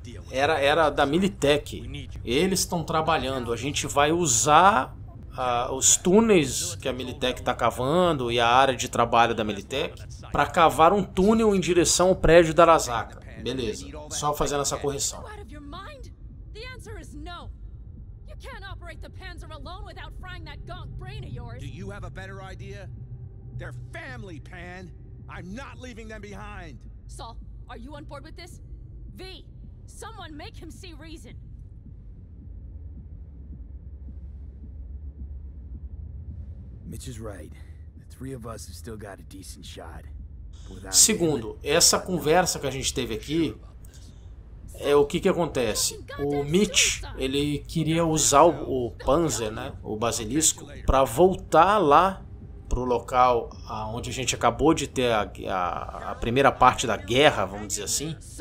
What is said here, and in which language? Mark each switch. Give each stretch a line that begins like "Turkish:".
Portuguese: Era da Militech. Eles estão trabalhando. A gente vai usar os túneis que a Militech tá cavando e a área de trabalho da Militech para cavar um túnel em direção ao prédio da Arasaka. Beleza, só fazendo essa correção.
English: You can't operate the Panzer alone without frying that gonk brain of yours. Do you have a better idea? They're family, Pan. I'm not leaving them behind. Saul, are you on board with this? V, someone make him see reason. Mitch is right. The three of us have still got a decent shot.
Portuguese: Segundo, essa conversa que a gente teve aqui, o que acontece? O Mitch, ele queria usar o Panzer, né, o Basilisco, para voltar lá pro local onde a gente acabou de ter a primeira parte da guerra, vamos dizer assim.